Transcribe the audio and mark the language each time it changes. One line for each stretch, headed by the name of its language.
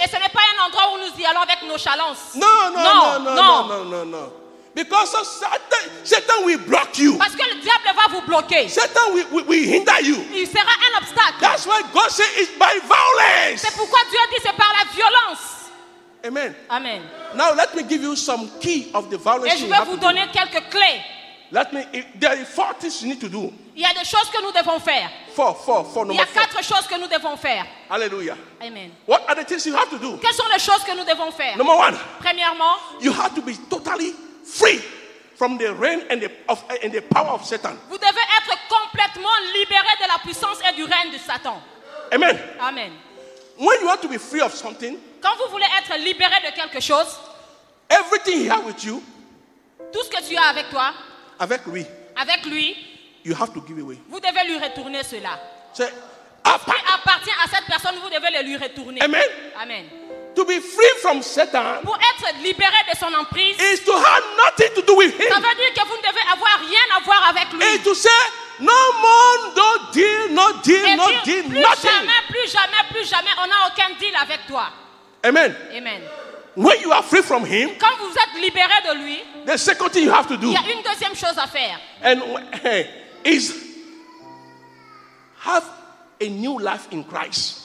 French: Et ce n'est pas un endroit où nous y allons avec nonchalance.
English: No. Because Satan will block you.
French: Parce que le diable va vous bloquer.
English: Satan will hinder you.
French: Il sera un obstacle.
English: That's why God says it's by violence.
French: C'est pourquoi Dieu dit c'est par la violence. Amen. Amen.
English: Now let me give you some key of the violence.
French: Et je vais vous donner quelques clés.
English: Let me. There are four things you need to do.
French: Il y a des choses que nous devons faire.
English: Four.
French: Il y a quatre choses que nous devons faire. Hallelujah. Amen.
English: What are the things you have to do?
French: Quelles sont les choses que nous devons faire?
English: Number one.
French: Premièrement.
English: You have to be totally free from the reign and the power of Satan.
French: Vous devez être complètement libéré de la puissance et du règne de Satan. Amen. Amen.
English: When you want to be free of something,
French: quand vous voulez être libéré de quelque chose,
English: everything he has with you,
French: tout ce que tu as avec toi, avec lui,
English: you have to give away.
French: Vous devez lui retourner cela. C'est ce qui appartient à cette personne, vous devez le lui retourner. Amen. Amen.
English: To be free from Satan,
French: pour être libéré de son emprise,
English: is to have nothing to do with him.
French: Ça veut dire que vous ne devez avoir rien à voir avec lui.
English: Et to say, no more, no deal, no deal,
French: Et
English: no
French: dire,
English: deal,
French: plus
English: nothing.
French: Plus jamais, on n'a aucun deal avec toi. Amen. Amen.
English: When you are free from him,
French: quand vous êtes libéré de lui,
English: the second thing you have to do,
French: il y a une deuxième chose à faire,
English: and is have a new life in Christ.